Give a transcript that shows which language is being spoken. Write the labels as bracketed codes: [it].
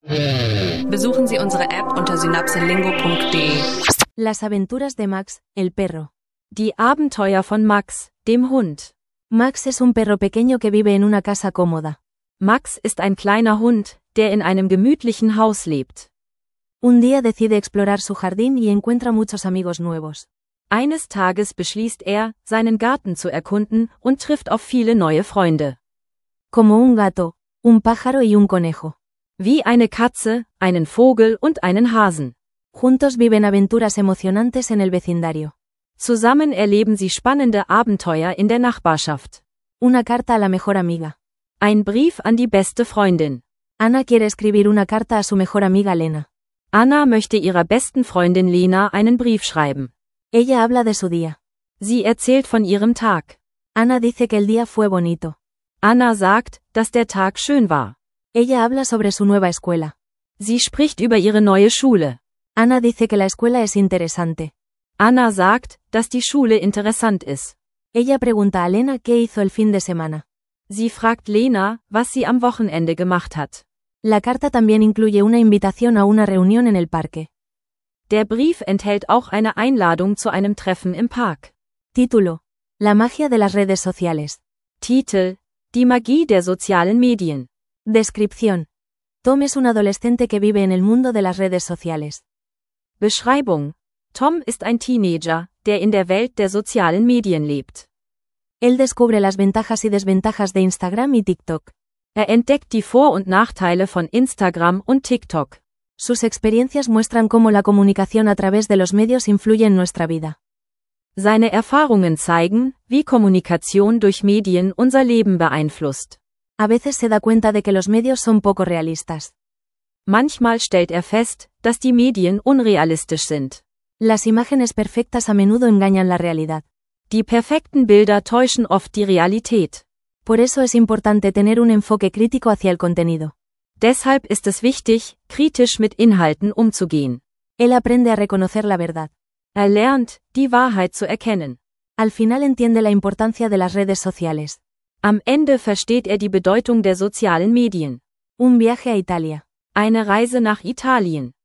[de] Besuchen Sie unsere App unter synapselingo.de. [es] Las aventuras de Max, el perro. [de] Die Abenteuer von Max, dem Hund. [es] Max es un perro pequeño que vive en una casa cómoda. [de] Max ist ein kleiner Hund, der in einem gemütlichen Haus lebt. [es] Un día decide explorar su jardín y encuentra muchos amigos nuevos. [de] Eines Tages beschließt er, seinen Garten zu erkunden und trifft auf viele neue Freunde. [es] Como un gato, un pájaro y un conejo. [de] Wie eine Katze, einen Vogel und einen Hasen. [es] Juntos viven aventuras emocionantes en el vecindario. [de] Zusammen erleben sie spannende Abenteuer in der Nachbarschaft. [es] Una carta a la mejor amiga. [de] Ein Brief an die beste Freundin. [es] Anna quiere escribir una carta a su mejor amiga Lena. [de] Anna möchte ihrer besten Freundin Lena einen Brief schreiben. [es] Ella habla de su día. [de] Sie erzählt von ihrem Tag. [es] Anna dice que el día fue bonito. [de] Anna sagt, dass der Tag schön war. [es] Ella habla sobre su nueva escuela. [de] Sie spricht über ihre neue Schule. [es] Anna dice que la escuela es interesante. [de] Anna sagt, dass die Schule interessant ist. [es] Ella pregunta a Lena qué hizo el fin de semana. [de] Sie fragt Lena, was sie am Wochenende gemacht hat. [es] La carta también incluye una invitación a una reunión en el parque. [de] Der Brief enthält auch eine Einladung zu einem Treffen im Park. [es] Título: La magia de las redes sociales. [de] Titel: Die Magie der sozialen Medien. [es] Descripción: Tom es un adolescente que vive en el mundo de las redes sociales. [de] Beschreibung: Tom ist ein Teenager, der in der Welt der sozialen Medien lebt. [es] Él descubre las ventajas y desventajas de Instagram y TikTok. [de] Er entdeckt die Vor- und Nachteile von Instagram und TikTok. [es] Sus experiencias muestran cómo la comunicación a través de los medios influye en nuestra vida. [de] Seine Erfahrungen zeigen, wie Kommunikation durch Medien unser Leben beeinflusst. [es] A veces se da cuenta de que los medios son poco realistas. [de] Manchmal stellt er fest, dass die Medien unrealistisch sind. [es] Las imágenes perfectas a menudo engañan la realidad. [de] Die perfekten Bilder täuschen oft die Realität. [es] Por eso es importante tener un enfoque crítico hacia el contenido. [de] Deshalb ist es wichtig, kritisch mit Inhalten umzugehen. [es] Él aprende a reconocer la verdad. [de] Er lernt, die Wahrheit zu erkennen. [es] Al final entiende la importancia de las redes sociales. [de] Am Ende versteht er die Bedeutung der sozialen Medien. [es] Un viaje a Italia. [de] Eine Reise nach Italien.